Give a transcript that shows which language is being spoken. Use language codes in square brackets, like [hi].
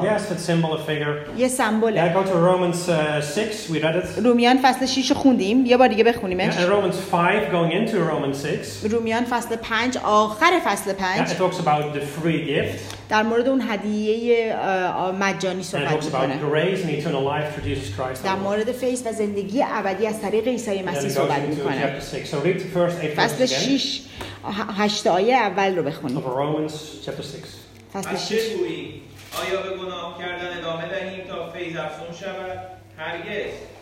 [en] Yes, it's symbol of figure. [fa] یه سمبوله. [en] Yeah, go to Romans 6. We read it. [fa] رومیان فصل 6 خوندیم. یه بار دیگه بخونیمش. [en] Yeah, Romans 5 going into Romans 6. [fa] رومیان فصل 5 آخر فصل 5. [en] It talks about the free gift. [fa] در مورد اون هدیه مجانی صحبت می‌کنه. [en] It talks about grace and eternal life through Jesus Christ. [fa] در مورد فیض و زندگی ابدی از طریق عیسی مسیح صحبت می‌کنه. [en] So read the first 8 verses [fa] فصل 6 8 آیه اول رو بخونید. [en] Of Romans chapter 6. [fa] فصل 6. آیا به گناه کردن ادامه دهیم تا فیض افزون شود؟ هرگز.